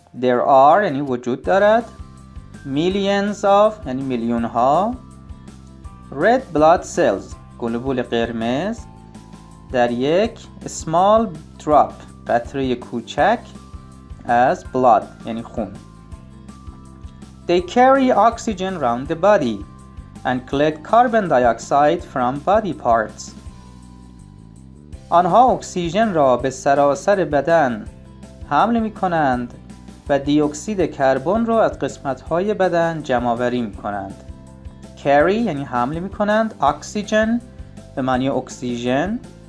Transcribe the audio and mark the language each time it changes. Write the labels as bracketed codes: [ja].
[en] There are [fa] یعنی وجود دارد. [en] Millions of [fa] یعنی میلیون ها. [en] Red blood cells [fa] گلوبول قرمز در یک [en] small drop [fa] قطره کوچک از blood یعنی خون. [en] They carry oxygen round the body and collect carbon dioxide from body parts. [fa] آنها اکسیژن را به سراسر بدن حمل می کنند و دی اکسید کربن را از قسمت های بدن جمع آوری می کنند. Carry یعنی حمل می کنند. Oxygen به معنی اکسیژن.